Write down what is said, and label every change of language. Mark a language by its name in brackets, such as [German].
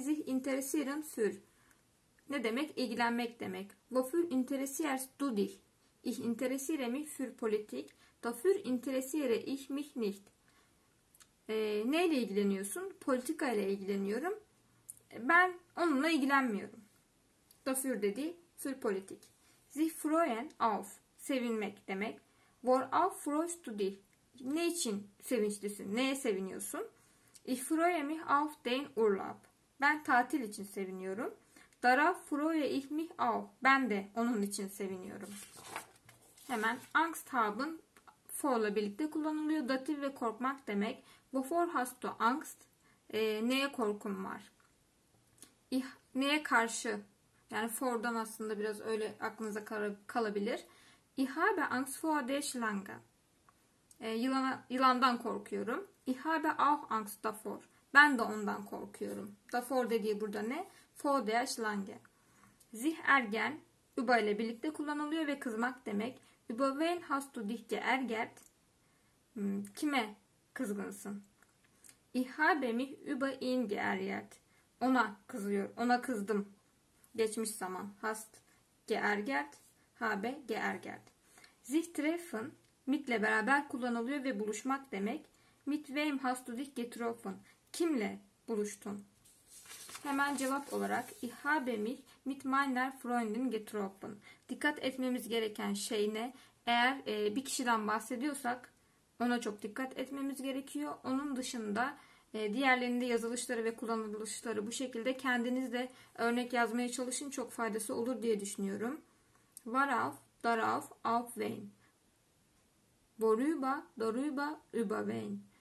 [German] Sich interessieren für. [Turkish] Ne demek? İlgilenmek demek. [German] Wofür interessierst du dich? Ich interessiere mich für Politik. Dafür interessiere ich mich nicht. [Turkish] Neyle ilgileniyorsun? Politika ile ilgileniyorum. Ben onunla ilgilenmiyorum. [German] Dafür [Turkish] dedi. [German] Für Politik. Sich freuen auf. [Turkish] Sevinmek demek. [German] Worauf freust du dich? [Turkish] Ne için sevinçlisin? Neye seviniyorsun? [German] Ich freue mich auf den Urlaub. [Turkish] Ben tatil için seviniyorum. [German] Darauf freue ich mich auch. [Turkish] Ben de onun için seviniyorum. Hemen [German] Angst haben [Turkish] for ile birlikte kullanılıyor. Datif ve korkmak demek. [German] Wovor hast du Angst? [Turkish] Neye korkun var? Neye karşı? Yani for'dan aslında biraz öyle aklınıza kalabilir. [German] Ich habe Angst vor der Schlange. [Turkish] Yılandan korkuyorum. [German] Ich habe auch Angst davor. [Turkish] Ben de ondan korkuyorum. Davor dediği burada ne? [German] Vor der Schlange. Sich ärgern. [Turkish] Über ile birlikte kullanılıyor ve kızmak demek. [German] Über wen hast du dich geärgert? [Turkish] Kime kızgınsın? [German] Ich habe mich über ihn geärgert. [Turkish] Ona kızıyor. Ona kızdım. Geçmiş zaman. [German] Hast geergert. Habe geergert. Sich treffen. [Turkish] Mit'le beraber kullanılıyor ve buluşmak demek. [German] Mit wem hast du dich getroffen? [Turkish] Kimle buluştun? Hemen cevap olarak [German] Ich habe mich mit meiner Freundin getroffen. [Turkish] Dikkat etmemiz gereken şey ne? Eğer bir kişiden bahsediyorsak ona çok dikkat etmemiz gerekiyor. Onun dışında diğerlerinde yazılışları ve kullanılışları bu şekilde kendiniz de örnek yazmaya çalışın. Çok faydası olur diye düşünüyorum. [German] Warauf, darauf, auf wen. Worüber, darüber, über wen.